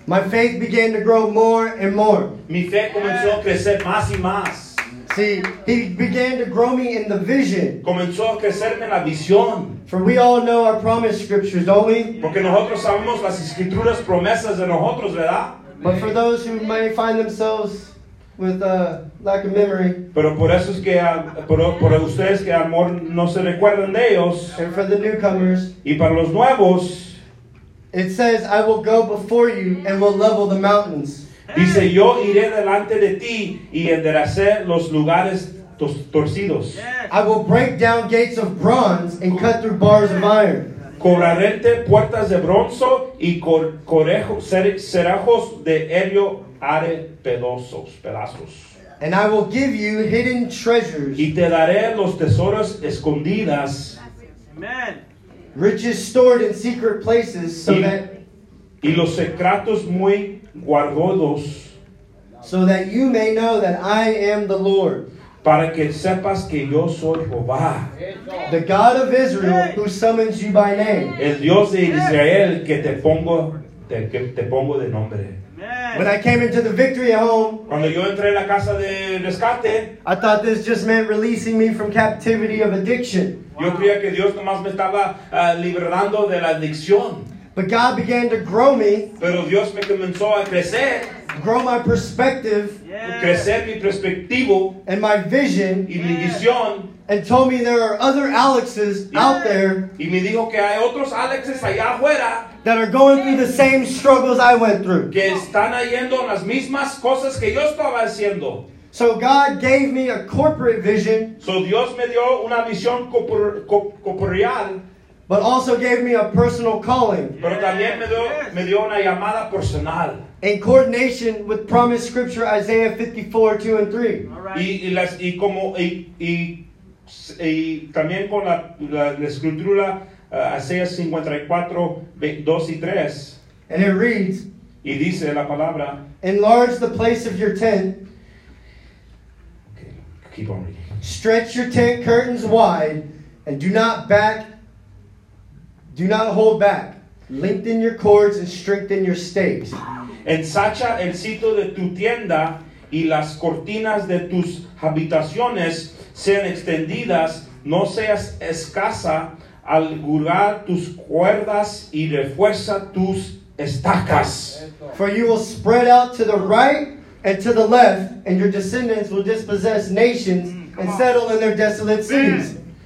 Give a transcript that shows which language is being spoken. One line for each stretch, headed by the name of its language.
English: My faith began to grow more and more.
Spanish: Mi fe comenzó a crecer más y más.
English: See, He began to grow me in the vision.
Spanish: Comenzó a crecerme en la visión.
English: For we all know our promised scriptures, don't we?
Spanish: Porque nosotros sabemos las escrituras promesas de nosotros, ¿verdad?
English: But for those who may find themselves with a lack of memory,
Spanish: pero por eso es que por ustedes que amor no se recuerdan de ellos,
English: and for the newcomers,
Spanish: y para los nuevos,
English: it says, I will go before you and will level the mountains.
Spanish: Dice, yo iré delante de ti y enderecé los lugares torcidos.
English: I will break down gates of bronze and cut through bars of iron.
Spanish: Corraré puertas de bronce y cerrojos de hierro haré pedazos.
English: And I will give you hidden treasures.
Spanish: Y te daré los tesoros escondidas.
English: Amen. Riches stored in secret places, so that
Spanish: y los secretos muy guardados,
English: so that you may know that I am the Lord,
Spanish: para que sepas que yo soy Jehová,
English: the God of Israel who summons you by name,
Spanish: el Dios de Israel que te pongo de nombre.
English: Amen. When I came into the victory home,
Spanish: cuando yo entré en la casa de rescate,
English: I thought this just meant releasing me from captivity of addiction. Wow.
Spanish: Yo creía que Dios nomás me estaba liberando de la adicción.
English: But God began to grow me.
Spanish: Pero Dios me comenzó a crecer.
English: Grow my perspective.
Spanish: Yeah. Crecer mi perspectivo.
English: And my vision.
Spanish: Y mi visión.
English: And told me there are other Alexes out there.
Spanish: Y me dijo que hay otros Alexes allá afuera.
English: That are going through the same struggles I went through.
Spanish: Que están yendo las mismas cosas que yo estaba haciendo.
English: So God gave me a corporate vision.
Spanish: So Dios me dio una visión corporal.
English: But also gave me a personal calling.
Spanish: Pero también me dio una llamada personal.
English: In coordination with promised scripture Isaiah 54:2-3.
Spanish: Right. Y también con la escritura Isaías 54:2-3.
English: And it reads.
Spanish: Y dice la palabra.
English: Enlarge the place of your tent. Okay, keep on reading. Stretch your tent curtains wide, and do not hold back. Lengthen your cords and strengthen your stakes.
Spanish: Ensancha el sitio de tu tienda y las cortinas de tus habitaciones sean extendidas. No seas escasa al gurgar tus cuerdas y refuerza tus estacas.
English: For you will spread out to the right and to the left, and your descendants will dispossess nations and settle in their desolate cities.